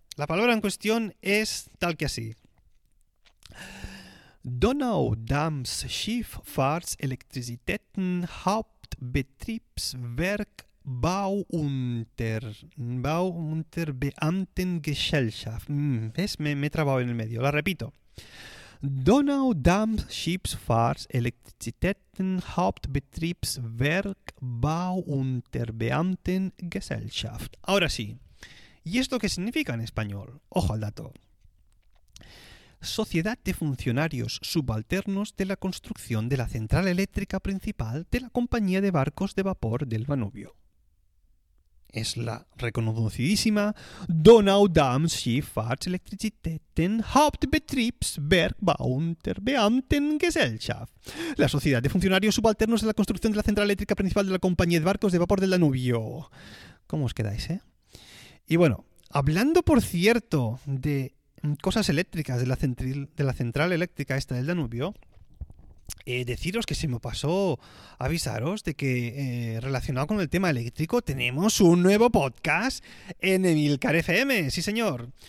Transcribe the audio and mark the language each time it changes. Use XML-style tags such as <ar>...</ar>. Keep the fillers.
<es>La palabra en cuestión es tal que así.</es> <de>Donaudampfschifffahrtselektrizitäten Hauptbetriebswerk Bauunter Bauunterbeamtengesellschaft.</de> <es>Mm, ¿Ves? Me, me he trabado en el medio. La repito.</es> <de>Donaudampfschifffahrtselektrizitäten Hauptbetriebswerk Bauunterbeamtengesellschaft.</de> <es>Ahora sí. ¿Y esto qué significa en español? Ojo al dato. Sociedad de Funcionarios Subalternos de la Construcción de la Central Eléctrica Principal de la Compañía de Barcos de Vapor del Danubio. Es la reconocidísima Donaudampfschifffahrtselektrizitäten Hauptbetriebswerkbauunterbeamtengesellschaft. La Sociedad de Funcionarios Subalternos de la Construcción de la Central Eléctrica Principal de la Compañía de Barcos de Vapor del Danubio. ¿Cómo os quedáis, eh? Y bueno, hablando por cierto de cosas eléctricas de la central, de la central eléctrica esta del Danubio, eh, deciros que se me pasó avisaros de que eh, relacionado con el tema eléctrico tenemos un nuevo podcast en Emilcar FM, sí señor.</es>